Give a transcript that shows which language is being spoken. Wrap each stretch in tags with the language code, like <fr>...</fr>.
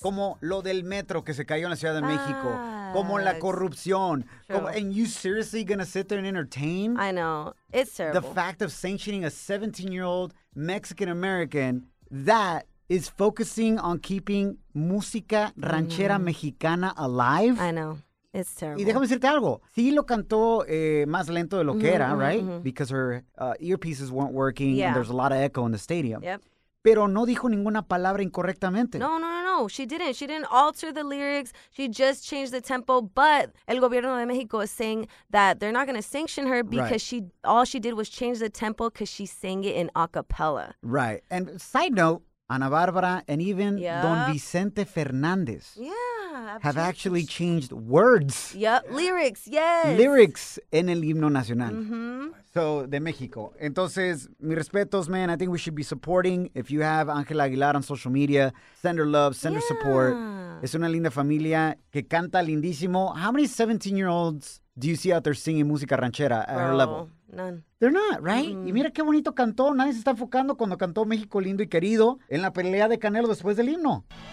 <es>Como lo del metro que se cayó en la Ciudad de México. Como la corrupción.</es> <en>Como, and you seriously gonna sit there and entertain? I know. It's terrible. The fact of sanctioning a 17-year-old Mexican-American, that is focusing on keeping música ranchera mexicana alive. I know. It's terrible.</en> <es>Y déjame decirte algo. Sí lo cantó más lento de lo que era, right? Mm-hmm.</es> <en>Because her earpieces weren't working and there's a lot of echo in the stadium. Yep.</en> <es>Pero no dijo ninguna palabra incorrectamente.</es> <en>No. She didn't. She didn't alter the lyrics. She just changed the tempo. But</en> <es>el gobierno de México</es> <en>is saying that they're not going to sanction her because all she did was change the tempo because she sang it in a cappella. Right. And side note, Ana Bárbara and even Don Vicente Fernández. Yeah. Have actually changed words. Yep, lyrics, yes.</en> <es>Lyrics en el himno nacional. Mm-hmm.</es> <en>So,</en> <es>de México. Entonces, mis respetos,</es> <en>man. I think we should be supporting. If you have Ángela Aguilar on social media, send her love, send her support.</en> <es>Es una linda familia que canta lindísimo.</es> <en>How many 17-year-olds do you see out there singing música ranchera at her level? None. They're not, right?</en> <es>Mm-hmm. Y mira qué bonito cantó. Nadie se está enfocando cuando cantó México lindo y querido en la pelea de Canelo después del himno.</es>